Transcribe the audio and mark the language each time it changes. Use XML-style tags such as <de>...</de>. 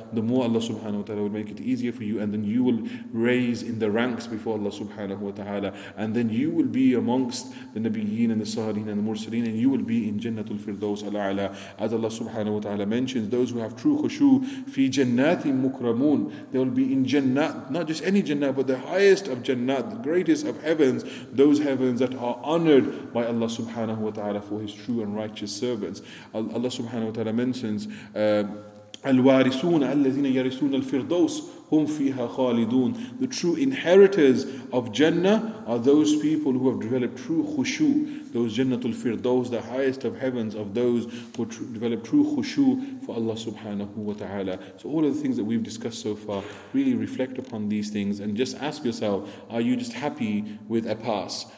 <en>The more Allah subhanahu wa ta'ala will make it easier for you, and then you will raise in the ranks before Allah subhanahu wa ta'ala, and then you will be amongst the Nabiyeen and the Saleen and the Mursaleen, and you will be in Jannatul Firdaus al-A'la. As Allah subhanahu wa ta'ala mentions, those who have true khushu,</en> <ar>fi jannatin mukramun,</ar> <en>they will be in Jannat, not just any Jannat, but the highest of Jannat, the greatest of heavens, those heavens that are honored by Allah subhanahu wa ta'ala for His true and righteous servants. Allah subhanahu wa ta'ala mentions,</en> <ar>الوارثون الذين يرثون الفردوس هم فيها خالدون.</ar> <en>The true inheritors of Jannah are those people who have developed true khushu. Those Jannatul Firdaus, the highest of heavens, of those who develop true khushu for Allah subhanahu wa ta'ala. So all of the things that we've discussed so far, really reflect upon these things and just ask yourself, are you just happy with a pass?</en>